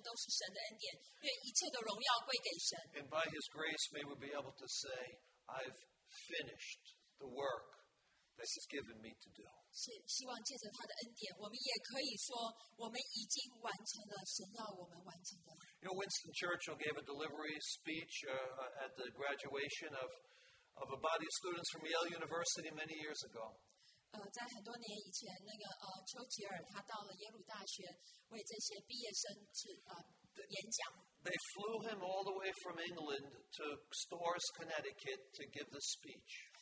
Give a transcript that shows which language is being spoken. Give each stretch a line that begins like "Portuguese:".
Chinese: 然后当我们在人生的路程走完，回头一看之后，我们就说，这完全都是神的恩典，愿一切的荣耀归给神。
English: And by His grace, may we be able to say, I've finished the work that He's given me to do.
Chinese: 希望借着他的恩典，我们也可以说，我们已经完成了神要我们完成的。
English: You know, Winston Churchill gave a delivery speech at the graduation of a body of students from Yale University many years ago.
Chinese: 在很多年以前，那个丘吉尔他到了耶鲁大学为这些毕业生演讲。
English: They flew him all the way from England to Storrs, Connecticut to give the speech.